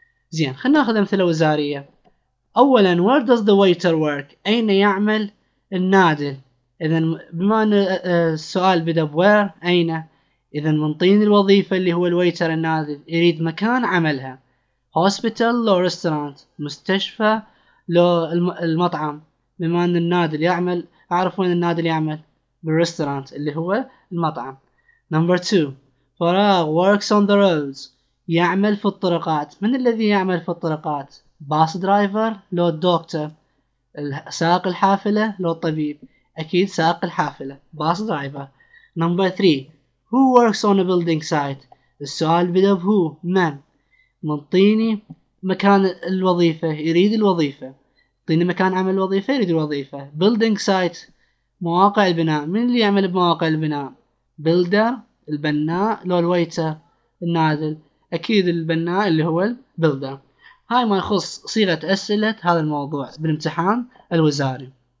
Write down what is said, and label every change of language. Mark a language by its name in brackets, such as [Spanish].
[Arabic] زين خلنا نأخذ مثلا وزارية. أولا [English] where does the waiter work؟ [Arabic] أين يعمل النادل؟ إذا بما أن السؤال بدأ بwhere أين؟ إذا منطين الوظيفة اللي هو الويتر النادل يريد مكان عملها. hospital لو restaurant مستشفى لو المطعم. بما أن النادل يعمل أعرف وين النادل يعمل بالريستورانت اللي هو المطعم. [English] number two فراغ works on the roads [Arabic] يعمل في الطرقات. من الذي يعمل في الطرقات؟ باص درايفر لو دكتور. ساق الحافلة لو طبيب. أكيد ساق الحافلة باص درايفر. [English] number three who works on a building site [Arabic] السؤال بدأ بهو من. منطيني مكان الوظيفة يريد الوظيفة. طيني مكان عمل وظيفة يريد الوظيفة. building site مواقع البناء. من اللي يعمل بمواقع البناء؟ builder البناء لو الويتر النادل. أكيد البناء اللي هو builder. هاي ما يخص صيغة أسئلة هذا الموضوع بالامتحان الوزاري.